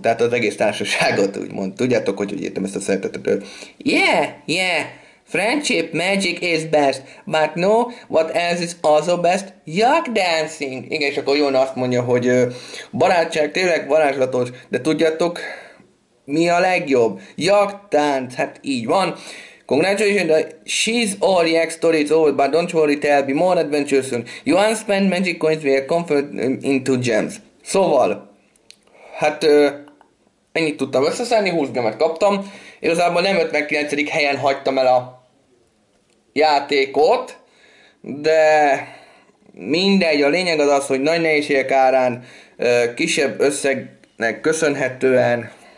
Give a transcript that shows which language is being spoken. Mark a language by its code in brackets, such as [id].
[hu] Tehát az egész társaságot, úgymond. Tudjátok, hogy értem ezt a szeretetet. [en] Yeah. Friendship magic is best. But no, what else is also best? Yak dancing. [hu] Igen, és akkor Jona azt mondja, hogy barátság tényleg varázslatos, de tudjátok, mi a legjobb? Yak tánc, hát így van. [en] Congratulations, she's all yak stories old, but don't worry, there'll be more adventures soon. You unspent magic coins will convert into gems. [hu] Szóval, hát ennyit tudtam összeszedni, 20 gemet kaptam. Igazából nem 59. helyen hagytam el a játékot, de mindegy, a lényeg az az, hogy nagy nehézségek árán, kisebb összegnek köszönhetően